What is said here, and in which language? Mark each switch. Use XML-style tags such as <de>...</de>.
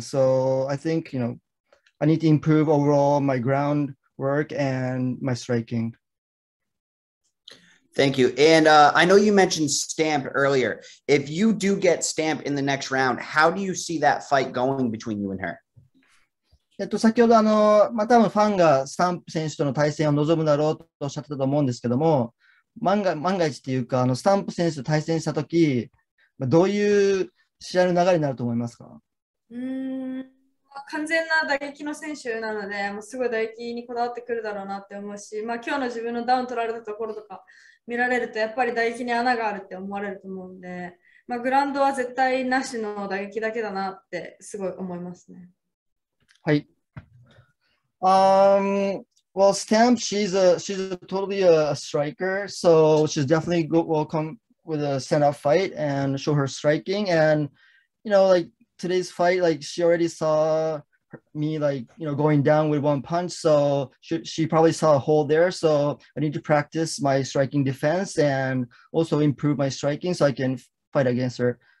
<en>So I think, you know, I need to improve overall my groundwork and my striking. Thank you. And I know you mentioned stamp earlier. If you do get stamp in the next round, how do you see that fight going between you and her?</en> <ja>先ほどまあ、多分ファンがスタンプ選手との対戦を望むだろうとおっしゃってたと思うんですけども、万が一っていうか、スタンプ選手と対戦したとき、どういう試合の流れになると思いますか？完全な打撃の選手なので、もうすごい打撃にこだわってくるだろうなって思うし、まあ、今日の自分のダウン取られたところとか見られると、やっぱり打撃に穴があるって思われると思うんで、まあ、グラウンドは絶対なしの打撃だけだなってすごい思いますね。はい。</ja> <en>Well, Stamp, she's totally a striker, so she's definitely good welcome with a stand-up fight and show her striking. And, you know, like, today's fight, like, she already saw me, like, you know, going down with one punch, so she probably saw a hole there, so I need to practice my striking defense and also improve my striking so I can fight against her.</en>